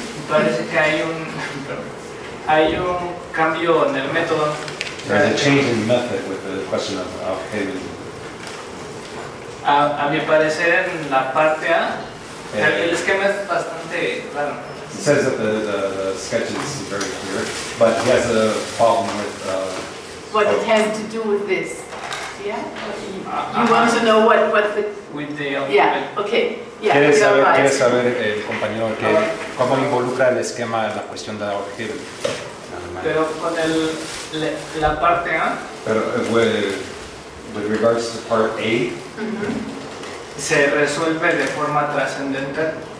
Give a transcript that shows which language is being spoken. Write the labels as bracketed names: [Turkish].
[Spanish] Parece que hay un cambio en el método. [English] There's a change in method with the question of Afghan Hidden. [Spanish] A mi parecer en la parte A. El esquema es bastante claro. [English] It says that the sketch is very clear, but he has a problem with... What it has to do with this, yeah? You want to know what the... With the... Yeah, okay. Yeah, [Spanish] ¿quieres saber, el compañero, que cómo involucra el esquema la cuestión de Orgil? Pero con la parte A... Pero [English] with regards to part A... [Spanish] ¿Se resuelve de forma trascendente?